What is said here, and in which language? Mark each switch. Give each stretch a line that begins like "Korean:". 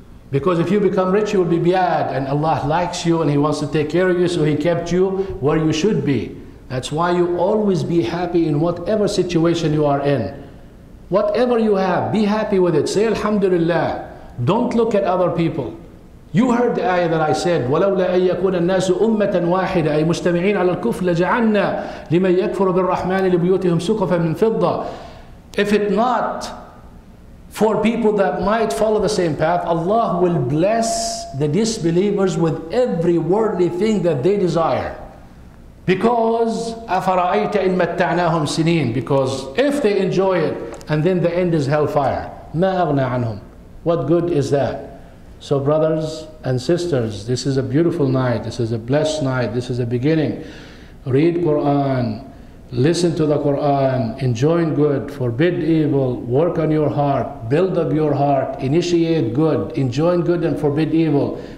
English: Because if you become rich, you will be bad. And Allah likes you and He wants to take care of you, so He kept you where you should be. That's why you always be happy in whatever situation you are in. Whatever you have, be happy with it. Say Alhamdulillah. Don't look at other people. You heard the ayah that I said,
Arabic: وَلَوْلَا أَن يَكُونَ النَّاسُ أُمَّةً وَاحِدَةً أَي مُجْتَمِعِينَ عَلَى الْكُفْرِ لَجَعَلْنَا لِمَن يَكْفُرُ بِالرَّحْمَنِ لِبُيُوتِهِمْ سُقُفًا مِّن فِضَّةٍ.
English: If it not for people that might follow the same path, Allah will bless the disbelievers with every worldly thing that they desire. Because
Arabic: أَفَرَأَيْتَ إِن مَتَّعْنَاهُمْ سِنِينَ.
English: Because if they enjoy it, and then the end is hellfire.
Arabic: مَا أَغْنَى عَنْهُمْ.
English: What good is that? So brothers and sisters, this is a beautiful night, this is a blessed night, this is a beginning. Read Quran, listen to the Quran, enjoin good, forbid evil, work on your heart, build up your heart, initiate good, enjoin good and forbid evil.